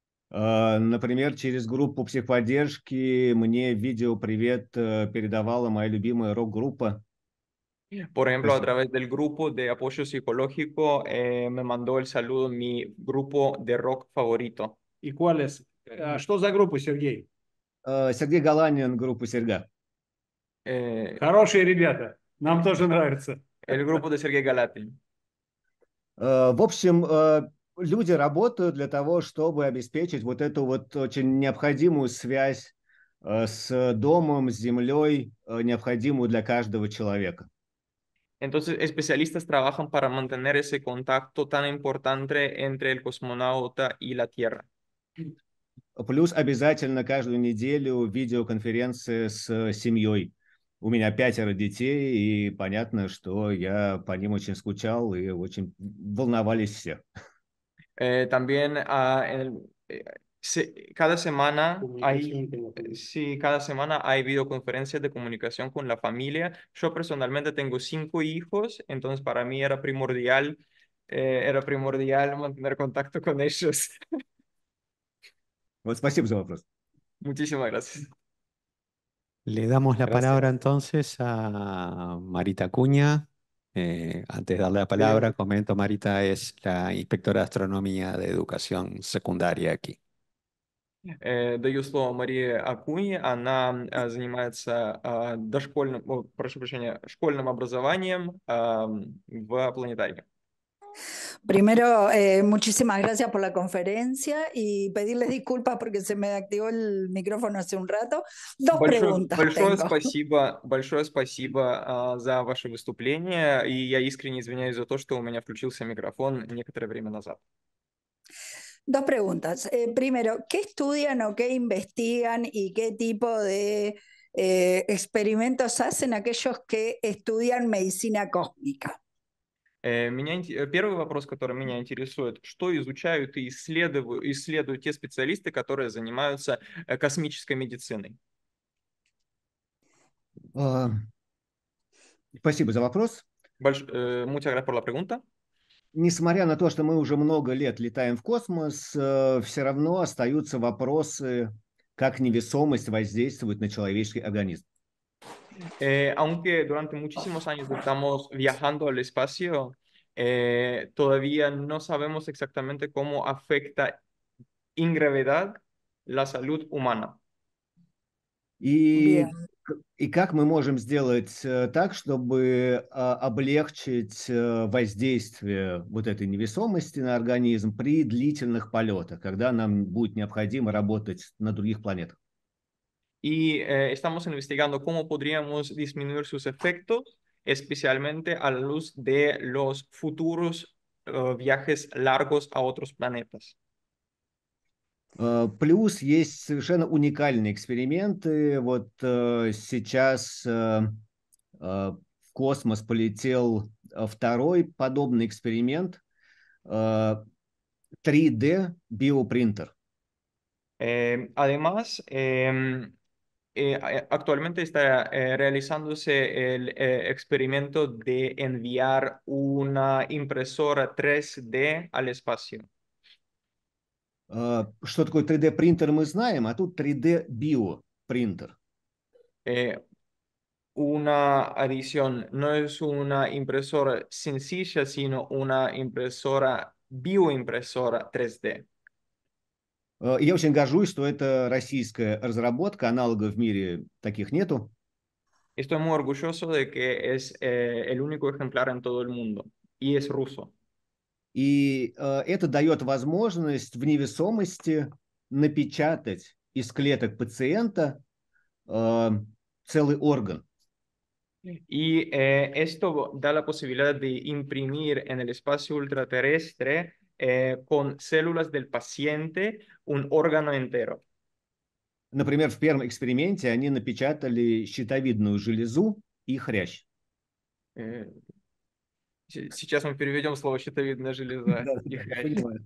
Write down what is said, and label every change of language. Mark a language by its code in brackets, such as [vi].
[ru] Например, через группу психподдержки мне видеопривет передавала моя любимая рок-группа. [es] Por ejemplo, a través del grupo de apoyo psicológico me mandó el saludo mi grupo de rock favorito. ¿Y cuál es? [ru] ¿Что за группа, Сергей? Сергей Галанин, группа Серга. Хорошие ребята, нам тоже нравится. Или группа Сергей Галатин. В общем, люди работают для того, чтобы обеспечить вот эту вот очень необходимую связь с домом, с землей, необходимую для каждого человека. [es] Entonces, especialistas trabajan para mantener ese contacto tan importante entre el cosmonauta y la Tierra. [ru] Плюс обязательно каждую неделю видеоконференция с семьей. У меня 5 детей, и понятно, что я по ним очень скучал, и очень волновались все. [es] También, cada semana hay, sí, cada semana hay videoconferencias de comunicación con la familia. Yo personalmente tengo 5 hijos, entonces para mí era primordial mantener contacto con ellos. [ru] Вот, спасибо за вопрос. [es] Muchísimas gracias. Le damos la gracias. Palabra entonces a Marita Cuña. Antes de darle la palabra, comento, Marita es la inspectora de astronomía de educación secundaria aquí. [ru] Даю слово Марии Акуни. Она занимается дошкольным, прошу прощения, школьным образованием в планетарии. [es] Primero, muchísimas gracias por la conferencia y pedirles disculpas porque se me activó el micrófono hace un rato. [ru] Большое спасибо за ваше выступление, и я искренне извиняюсь за то, что у меня включился микрофон некоторое время назад. [es] Dos preguntas. Primero, ¿qué estudian o qué investigan y qué tipo de experimentos hacen aquellos que estudian medicina cósmica? [ru] Первый вопрос, который меня интересует, что изучают и исследуют те специалисты, которые занимаются космической медициной? Спасибо за вопрос. [es] Muchas gracias por la pregunta. [ru] Несмотря на то, что мы уже много лет летаем в космос, все равно остаются вопросы, как невесомость воздействует на человеческий организм. [es] Aunque durante muchísimos años estamos viajando al espacio, todavía no sabemos exactamente cómo afecta en gravedad la salud humana. [ru] И как мы можем сделать так, чтобы облегчить воздействие вот этой невесомости на организм при длительных полетах, когда нам будет необходимо работать на других планетах? [es] Y estamos investigando cómo podríamos disminuir sus efectos, especialmente a la luz de los futuros viajes largos a otros planetas. [ru] Плюс есть совершенно уникальные эксперименты. Вот сейчас в космос полетел второй подобный эксперимент, 3D-биопринтер. [es] Además, actualmente está realizándose el experimento de enviar una impresora 3D al espacio. [ru] Что такое 3D-принтер, мы знаем, а тут 3D-биопринтер. [es] Una adición, no es una impresora sencilla, sino una impresora, bioimpresora 3D. [ru] Я очень горжусь, что это российская разработка, аналогов в мире таких нету. [es] Estoy muy orgulloso de que es el único ejemplar en todo el mundo, y es ruso. [ru] И это дает возможность в невесомости напечатать из клеток пациента целый орган. [es] Y esto da la posibilidad de imprimir en el espacio ultraterrestre con células del paciente un órgano entero. [ru] Например, в первом эксперименте они напечатали щитовидную железу и хрящ. Сейчас мы переведем слово щитовидная железа и хрящ.